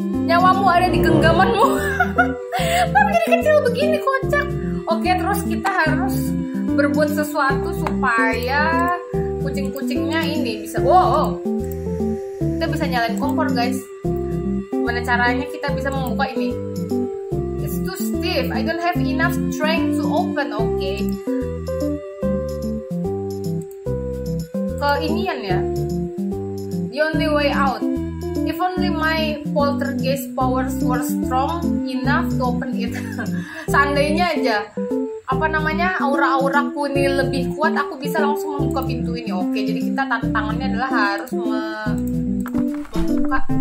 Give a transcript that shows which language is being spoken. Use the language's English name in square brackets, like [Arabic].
[Indonesian] Nyawamu ada di genggamanmu. Kenapa jadi kecil begini, kocak? Oke, terus kita harus berbuat sesuatu supaya kucing-kucingnya ini bisa, wow. Kita bisa nyalain kompor, guys. Mana caranya kita bisa membuka ini? [English] I don't have enough strength to open. Oke. [Indonesian] Keinian ya. [English] The only way out. If only my poltergeist powers were strong enough to open it. [Indonesian] Seandainya aja aura-auraku ini lebih kuat, aku bisa langsung membuka pintu ini. Oke, jadi kita tantangannya adalah harus membuka.